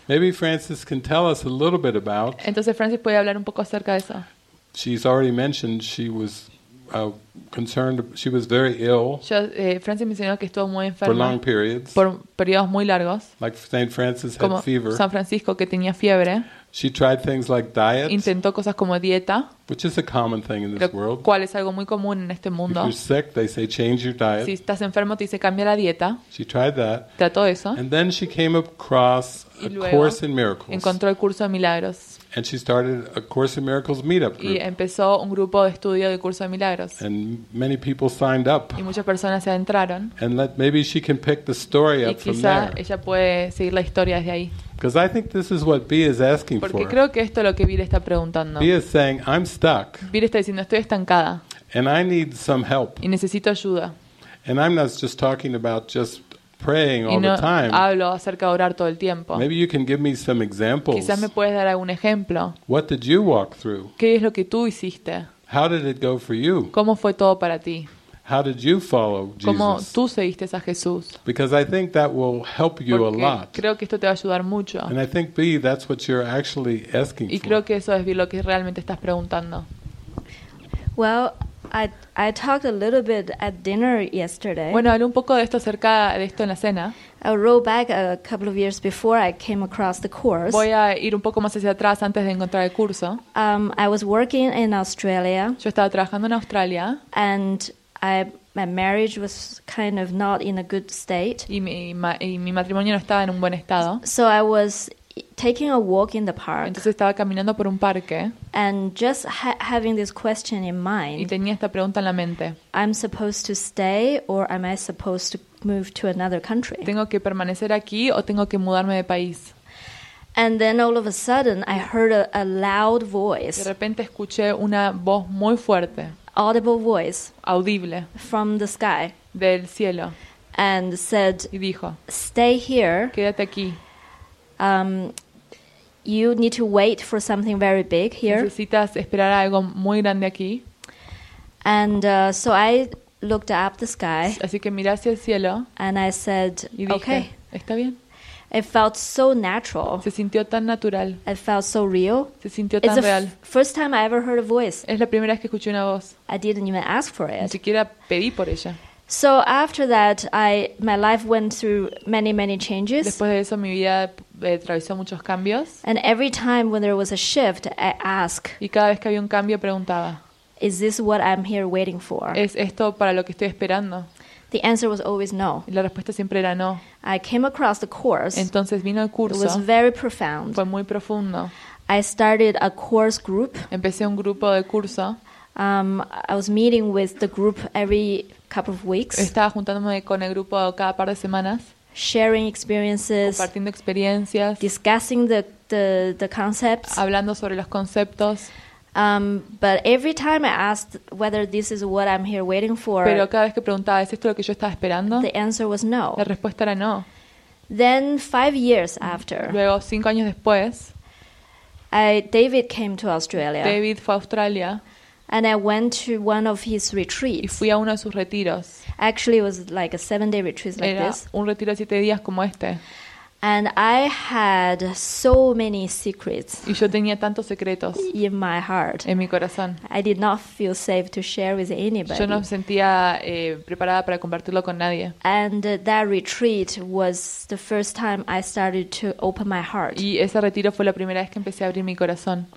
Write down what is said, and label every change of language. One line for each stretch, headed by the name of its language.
English: Maybe Francis can tell us a little bit about.
Spanish: Entonces Francis puede hablar un poco acerca de eso.
English: She's already mentioned she was concerned. She was very ill.
Spanish: Francis mencionó que estuvo muy enferma.
English: For long periods.
Spanish: Por periodos muy largos.
English: Like Saint Francis had fever.
Spanish: San Francisco que tenía fiebre.
English: She tried things like diet.
Spanish: Intentó cosas como dieta.
English: Which is a common thing in this world.
Spanish: Cual es algo muy común en este mundo.
English: If you're sick, they say change your diet.
Spanish: Si estás enfermo te dice cambia la dieta.
English: She tried that.
Spanish: Trató eso.
English: And then she came across a course in miracles.
Spanish: Encontró el curso de milagros.
English: And she started a Course in Miracles meetup group.
Spanish: Y empezó un grupo de estudio de curso de milagros.
English: And many people signed up.
Spanish: Y muchas personas se entraron.
English: And maybe she can pick the story up from there.
Spanish: Y quizá ella puede seguir la historia desde ahí.
English: Because I think this is what B is asking
Spanish: porque
English: for.
Spanish: Porque creo que esto es lo que B está preguntando.
English: B is saying, I'm stuck.
Spanish: B está diciendo, estoy estancada.
English: And I need some help.
Spanish: Y necesito ayuda.
English: And I'm not just talking about just praying all
Spanish: no
English: the time.
Spanish: Hablo acerca de orar todo el tiempo.
English: Maybe you can give me some examples.
Spanish: Quizás me puedes dar algún ejemplo.
English: What did you walk through?
Spanish: ¿Qué es lo que tú hiciste?
English: How did it go for you?
Spanish: ¿Cómo fue todo para ti?
English: How did you follow Jesus?
Spanish: ¿Cómo tú seguiste a Jesús?
English: Because I think that will help you
Spanish: porque
English: a lot.
Spanish: Creo que esto te va a ayudar mucho.
English: And I think B, that's what you're actually asking for.
Spanish: Y creo que eso es lo que realmente estás preguntando.
English: Well, I talked a little bit at dinner yesterday.
Spanish: Bueno, hablé un poco de esto acerca de esto en la cena.
English: I wrote back a couple of years before I came across the course.
Spanish: Voy a ir un poco más hacia atrás antes de encontrar el curso.
English: I was working in Australia.
Spanish: Yo estaba trabajando en Australia.
English: And my marriage was kind of not in a good state.
Spanish: Y mi matrimonio no estaba en un buen estado.
English: So I was taking a walk in the park.
Spanish: Entonces estaba caminando por un parque.
English: And just having this question in mind.
Spanish: Y tenía esta pregunta en la mente.
English: I'm supposed to stay or am I supposed to move to another country?
Spanish: ¿Tengo que permanecer aquí o tengo que mudarme de país?
English: And then all of a sudden I heard a loud voice.
Spanish: De repente escuché una voz muy fuerte.
English: Audible voice.
Spanish: Audible.
English: From the sky.
Spanish: Del cielo.
English: and said,
Spanish: y dijo,
English: "Stay here.
Spanish: Quédate aquí.
English: You need to wait for something very big here.
Spanish: Necesitas esperar algo muy grande aquí."
English: And so I looked up the sky.
Spanish: Así que miré hacia el cielo.
English: And I said,
Spanish: y dije,
English: "Okay.
Spanish: Está bien."
English: It felt so natural.
Spanish: Se sintió tan natural.
English: It felt so real.
Spanish: Se sintió tan real.
English: First time I ever heard a voice.
Spanish: Es la primera vez que escuché una voz.
English: I didn't even ask for it.
Spanish: Ni siquiera pedí por ella.
English: So after that, my life went through many, many changes.
Spanish: Después de eso, mi vida atravesó muchos cambios.
English: And every time when there was a shift, I asked.
Spanish: Y cada vez que había un cambio, preguntaba.
English: Is this what I'm here waiting for?
Spanish: ¿Es esto para lo que estoy esperando?
English: The answer was always no.
Spanish: Y la respuesta siempre era no.
English: I came across the course.
Spanish: Entonces vino el curso.
English: It was very profound.
Spanish: Fue muy profundo.
English: I started a course group.
Spanish: Empecé un grupo de curso.
English: I was meeting with the group every couple of weeks.
Spanish: Estaba juntándome con el grupo cada par de semanas.
English: Sharing experiences.
Spanish: Compartiendo experiencias.
English: Discussing the concepts.
Spanish: Hablando sobre los conceptos.
English: But every time I asked whether this is what I'm here waiting for,
Spanish: pero cada vez que preguntaba, ¿es esto lo que yo estaba esperando?
English: The answer was no.
Spanish: La respuesta era no.
English: Then 5 years after,
Spanish: luego 5 años después,
English: David came to Australia.
Spanish: David fue a Australia.
English: And I went to one of his retreats.
Spanish: Y fui a uno de sus retiros.
English: Actually, it was like a 7-day retreat like
Spanish: era
English: this.
Spanish: Un retiro de 7 días como este.
English: And I had so many secrets.
Spanish: Y yo tenía tantos secretos.
English: In my heart.
Spanish: En mi corazón.
English: I did not feel safe to share with anybody.
Spanish: Yo no me sentía preparada para compartirlo con nadie.
English: And that retreat was the first time I started to open my heart.
Spanish: Y ese retiro fue la primera vez que empecé a abrir mi corazón.